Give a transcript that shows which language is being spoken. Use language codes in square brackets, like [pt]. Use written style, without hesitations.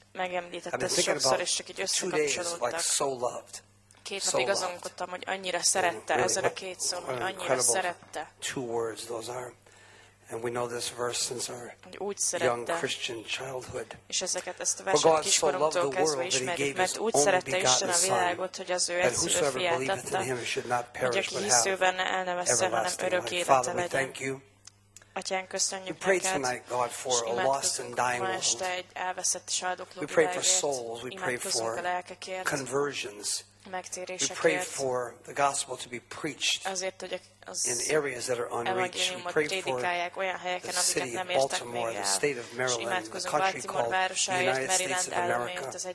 [hu] Megemlítette sokszor, és csak így összekapcsolódtak. Két napig azon gondoltam, hogy annyira szerette ezen a két szó, hogy annyira szerette. [en] Two words those are. And we know this verse since our young Christian childhood. [hu] És ezeket ezt a verset kiskoromtól kezdve ismerjük, mert úgy szerette Isten a világot, hogy az ő egyszülő fiát adta, hogy aki hisz ő benne, el ne vesszen, hanem örök élete legyen. Atyán, [en] we pray tonight, God, for a lost and dying world. We pray for souls. We pray for conversions. We pray for the gospel to be preached in areas that are unreached. We pray for the city of Baltimore, the state of Maryland, the country called the United States of America.